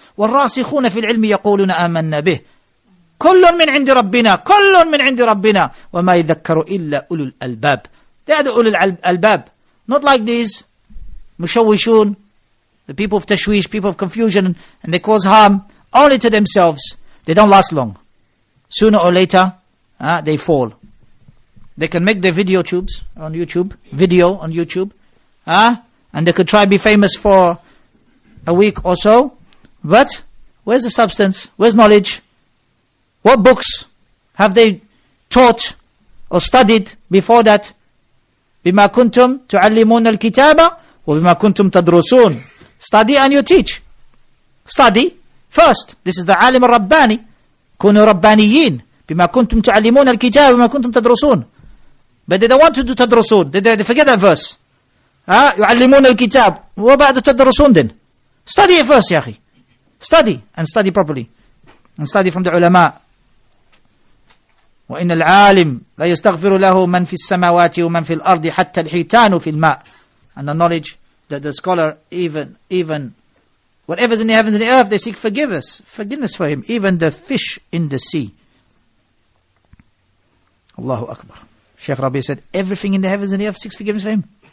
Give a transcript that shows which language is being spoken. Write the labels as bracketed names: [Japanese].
[Arabic] والراسخون في العلم يقولون آمنا به كل من عند ربنا كل من عند ربنا وما يذكر إلا أولو الألباب. [English] They are the [Arabic] أولو الألباب. [English] Not like these مشوشون, the people of tashwish, people of confusion, and they cause harm only to themselves. They don't last long. Sooner or later, they fall. They can make their video tubes on YouTube, video on YouTube, and they could try to be famous for a week or so. But where's the substance? Where's knowledge? What books have they taught or studied before that? [Arabic] بِمَا كُنْتُمْ تُعَلِّمُونَ الْكِتَابَ وَبِمَا كُنْتُمْ تَدْرُسُونَ. [English] Study and you teach. Study first. This is the [Arabic] عَالِمُ الرَّبَّانِ. كُنُوا رَبَّانِيِّينَ بِمَا كُنْتُمْ تُعَلِّمُونَ الْكِتَابَ وَبِمَا كُنْتُمْ تَدْرُسُونَ. [English] But they don't want to do تدرسون. They forget that verse. [Arabic] يُعَلِّمُونَ الْكِتَابَ وَبَعْدَ تَدْرُسُونَ then. [English] Study it first, ya أخي. Study and study properly, and study from the ulama. [Arabic] وإن العالم لا يستغفر له من في السماوات ومن في الأرض حتى الحيتان في الماء. [English] And the knowledge that the scholar even whatever's in the heavens and the earth, they seek forgiveness for him, even the fish in the sea. Allahu Akbar. Sheikh Rabi said, everything in the heavens and the earth seeks forgiveness for him.